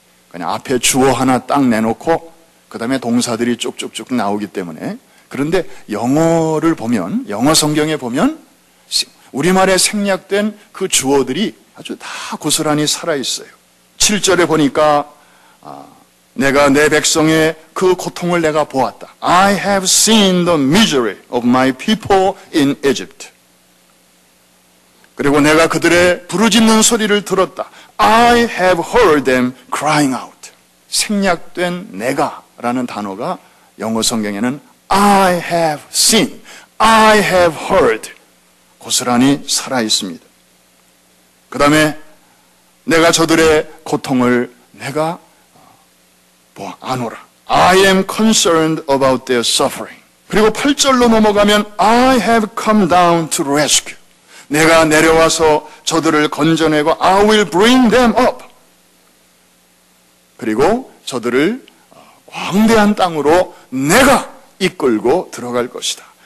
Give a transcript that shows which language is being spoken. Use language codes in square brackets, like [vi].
[ko] 그냥 앞에 주어 하나 딱 내놓고 그 다음에 동사들이 쭉쭉쭉 나오기 때문에 그런데 영어를 보면 영어 성경에 보면 우리말에 생략된 그 주어들이 아주 다 고스란히 살아있어요. 7절에 보니까 내가 내 백성의 그 고통을 내가 보았다. [en] I have seen the misery of my people in Egypt. [ko] 그리고 내가 그들의 부르짖는 소리를 들었다. [en] I have heard them crying out. [ko] 생략된 내가 라는 단어가 영어 성경에는 [en] I have seen, I have heard [ko] 고스란히 살아있습니다. 그 다음에 내가 저들의 고통을 내가 아노라. [en] I am concerned about their suffering. [ko] 그리고 8절로 넘어가면 [en] I have come down to rescue. [ko] 내가 내려와서 저들을 건져내고 [en] I will bring them up. [ko] 그리고 저들을 광대한 땅으로 내가 이끌고 들어갈 것이다.